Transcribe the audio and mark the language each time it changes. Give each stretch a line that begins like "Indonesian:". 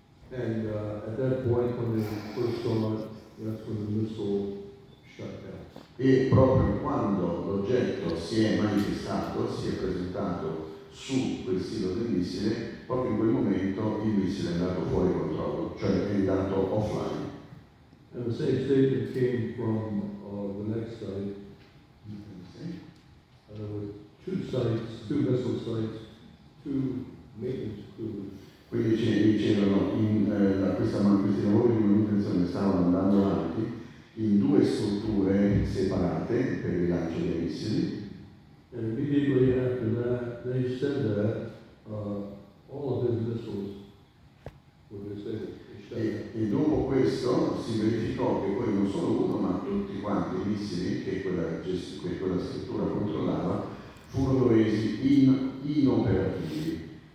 English: And at that point when they first saw it, that's when the missile shut down.
Italian: E proprio quando l'oggetto si è manifestato, si è presentato su quel silo del missile, proprio in quel momento il missile è andato fuori controllo, cioè è andato offline.
English: And the same statement came from the next site. There were two sites, two missile sites, two maintenance crews.
Italian: Quindi c'erano questa manifestazione di manutenzione stavano andando avanti in due strutture separate per il lancio dei missili.
English: And immediately after that, they said that all of his missiles were disabled.
Italian: E dopo questo si verificò che poi non solo uno, ma tutti quanti i missili che quella struttura controllava furono resi inoperativi.